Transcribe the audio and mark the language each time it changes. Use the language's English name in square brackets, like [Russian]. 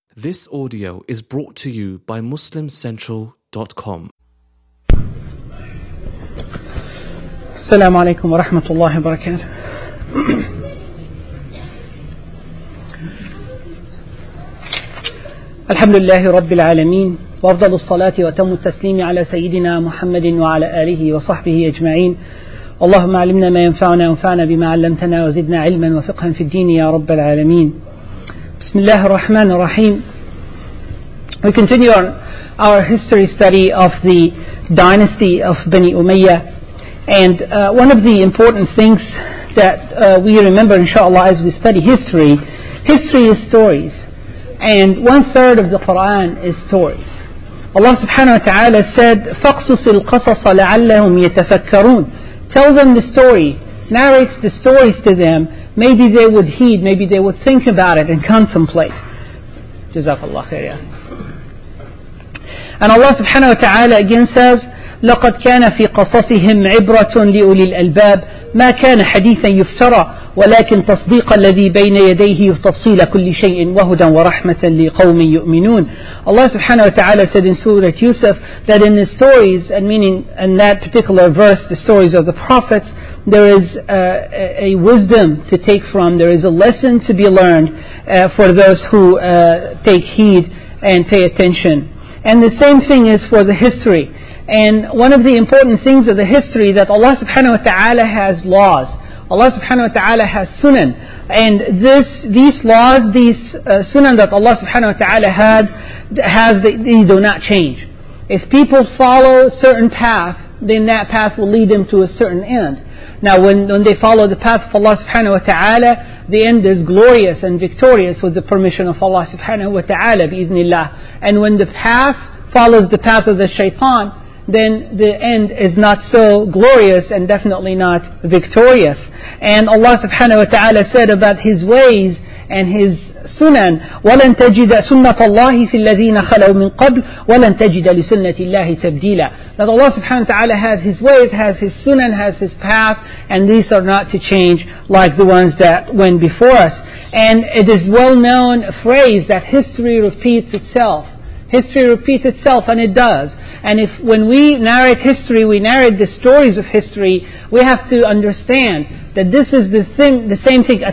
[English] This audio is brought to you by MuslimCentral.com. [Arabic] السلام عليكم ورحمة الله وبركاته. الحمد لله رب العالمين وأفضل الصلاة وتم التسليم على سيدنا محمد وعلى آله وصحبه أجمعين. اللهم علمنا ما ينفعنا وانفعنا بما علمتنا وزدنا علما وفقها في الدين يا رب العالمين. بسم الله الرحمن الرحيم. [English] We continue on our history study of the dynasty of Bani Umayyah. And one of the important things that we remember, inshallah, as we study history, history is stories. And one third of the Quran is stories. Allah subhanahu wa ta'ala said, [Arabic] فَقْصُصِ الْقَصَصَ لَعَلَّهُمْ يَتَفَكَّرُونَ. [English] Tell them the story. Narrates the stories to them. Maybe they would heed, maybe they would think about it and contemplate. Jazakallah khair. And Allah subhanahu wa ta'ala again says, [Arabic] لَقَدْ كَانَ فِي قَصَصِهِمْ عِبْرَةٌ لِأُولِي الْأَلْبَابِ مَا كَانَ حَدِيثًا يُفْتَرَى وَلَكِنْ تَصْدِيقَ الَّذِي بَيْنَ يَدَيْهِ وَتَفْصِيلَ كُلِّ شَيْءٍ وَهُدًى وَرَحْمَةً لِقَوْمٍ يُؤْمِنُونَ. [English] Allah subhanahu wa ta'ala said in Surah Yusuf that in the stories, and meaning in that particular verse, the stories of the prophets, there is a wisdom to take from, there is a lesson to be learned for those who take heed and pay attention. And the same thing is for the history. And one of the important things of the history that Allah subhanahu wa ta'ala has laws. Allah subhanahu wa ta'ala has sunan. And these laws, these sunan that Allah subhanahu wa ta'ala they do not change. If people follow a certain path, then that path will lead them to a certain end. Now when they follow the path of Allah subhanahu wa ta'ala, the end is glorious and victorious with the permission of Allah subhanahu wa ta'ala, bi-idhnillah. And when the path follows the path of the shaitan, then the end is not so glorious and definitely not victorious. And Allah subhanahu wa ta'ala said about His ways and His sunan, [Arabic] وَلَن تَجِدَ سُنَّةَ اللَّهِ فِي الَّذِينَ خَلَوْا مِنْ قَبْلِ وَلَن تَجِدَ لِسُنَّةِ اللَّهِ تَبْدِيلًا. [English] That Allah subhanahu wa ta'ala has His ways, has His sunan, has His path, and these are not to change like the ones that went before us. And it is well-known phrase that history repeats itself. History repeats itself, and it does. And if when we narrate history, we narrate the stories of history, we have to understand that this is the same thing.